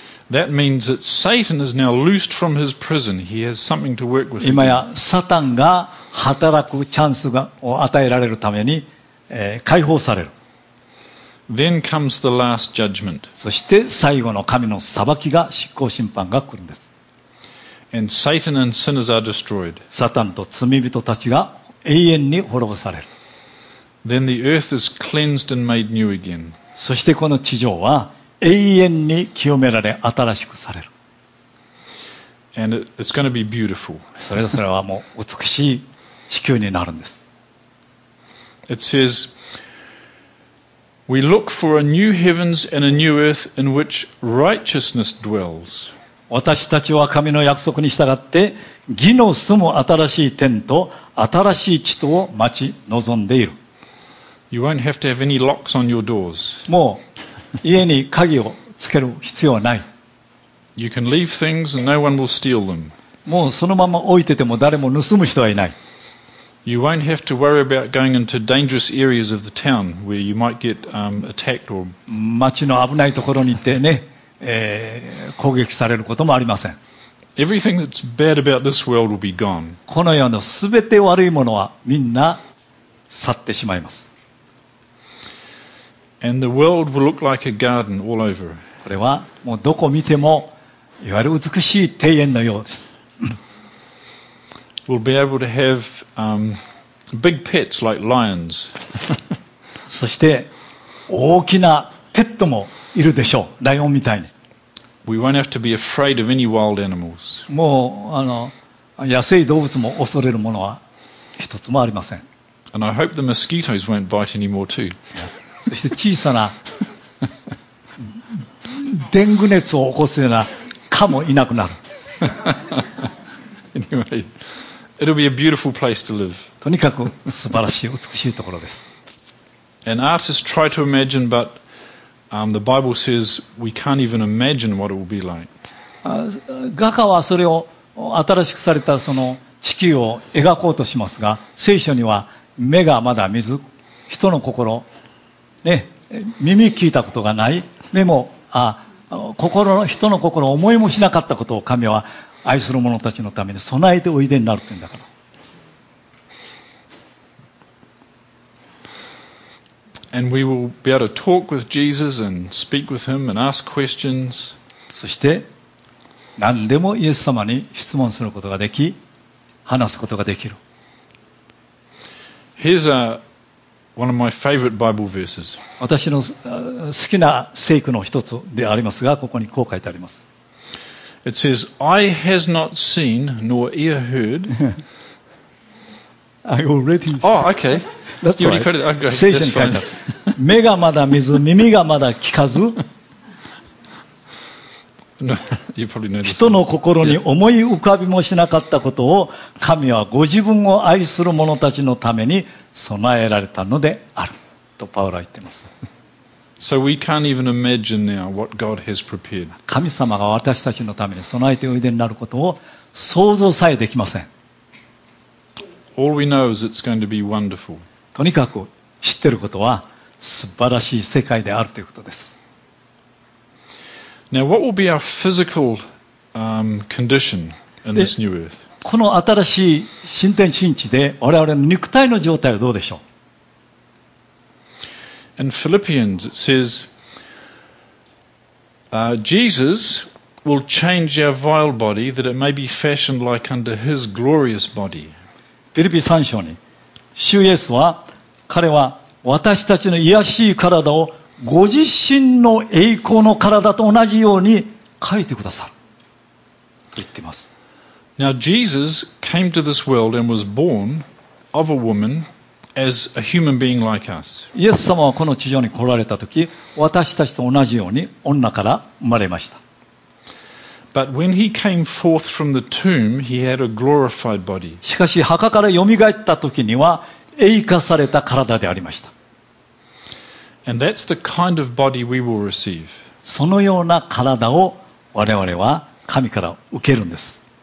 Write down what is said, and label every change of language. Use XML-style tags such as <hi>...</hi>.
<en>That means that Satan is now loosed from his prison. He has something to work with.</en> <ja>今やサタンが働くチャンスを与えられるために、解放される。</ja> <en>Then comes the last judgment.</en> <ja>そして最後の神の裁きが、執行審判が来るんです。</ja> <en>And Satan and sinners are destroyed.</en> <ja>サタンと罪人たちが永遠に滅ぼされる。</ja> <en>Then the earth is cleansed and made new again.</en> <ja>そしてこの地上は永遠に清められ新しくされる。</ja> <en>And it's going to be beautiful.</en> <ja>それはもう美しい地球になるんです。</ja> <en>It says, We look for a new heavens and a new earth in which righteousness dwells.</en> <ja>私たちは神の約束に従って義の住む新しい天と新しい地とを待ち望んでいる。</ja> <en>You won't have to have any locks on your doors.</en> <ja>もう家に鍵をつける必要はない。</ja> <en>You can leave things and no one will steal them.</en> <ja>もうそのまま置いてても誰も盗む人はいない。</ja> <en>You won't have to worry about going into dangerous areas of the town where you might get attacked or</en> <ja>街の危ないところに行ってね、攻撃されることもありません。</ja> <en>Everything that's bad about this world will be gone.</en> <ja>この世のすべて悪いものはみんな去ってしまいます。</ja> <en>And the world will look like a garden all over.</en> <ja>これはもうどこ見てもいわゆる美しい庭園のようです。</ja> <en>We'll be able to have big pets like lions.</en> <ja>そして大きなペットもいるでしょう、ライオンみたいに。</ja> <en>We won't have to be afraid of any wild animals.</en> <ja>もう野生動物も恐れるものは一つもありません。</ja> <en>And I hope the mosquitoes won't bite anymore too.</en> <ja>そして小さなデング熱を起こすような蚊もいなくなる。</ja> <en>anyway, it'll be a beautiful place to live.</en> <ja>とにかく素晴らしい美しいところです。</ja> <en>And artists try to imagine, but the Bible says we can't even imagine what it will be like.</en> <ja>画家はそれを新しくされたその地球を描こうとしますが、聖書には目がまだ見ず、人の心ね、耳聞いたことがない、目も心の人の心思いもしなかったことを神は愛する者たちのために備えておいでになるというんだから。</ja> <en>And we will be able to talk with Jesus and speak with him and ask questions.</en> <ja>そして何でもイエス様に質問することができ、話すことができる。</ja> <en>Here's a one of my favorite Bible verses.</en> <ja>私の好きな聖句の一つでありますが、ここにこう書いてあります。</ja> <en>It says, "Eye has not seen nor ear heard." I already. Oh, okay. That's you already right. Okay,</en> <ja>聖書に書いてある。目がまだ見ず、耳がまだ聞かず。</ja> <en>No, you probably know this.</en> <ja>人の心に思い浮かびもしなかったことを神はご自分を愛する者たちのために備えられたのであるとパウロは言っています。</ja> <en>So we can't even imagine now what God has prepared.</en> <ja>神様が私たちのために備えておいでになることを想像さえできません。</ja> <en>All we know is it's going to be wonderful.</en> <ja>とにかく知っていることは素晴らしい世界であるということです。</ja> <en>Now, what will be our physical condition in this new earth?</en> <ja>この新しい新天新地で我々の肉体の状態はどうでしょう?</ja> <en>In Philippians, it says, Jesus will change our vile body that it may be fashioned like under his glorious body.</en> <ja>フィリピ3章に、主イエスは、彼は私たちの卑しい体をご自身の栄光の体と同じように変えてくださると言っています。</ja> <en>Now Jesus came to this world and was born of a woman as a human being like us.</en> <ja>イエス様はこの地上に来られた時、私たちと同じように女から生まれました。</ja> <en>But when he came forth from the tomb, he had a glorified body.</en> <ja>しかし墓からよみがえった時には栄華された体でありました。</ja> <en>And that's the kind of body we will receive.</en> <ja>そのような体を我々は神から受けるんです。</ja>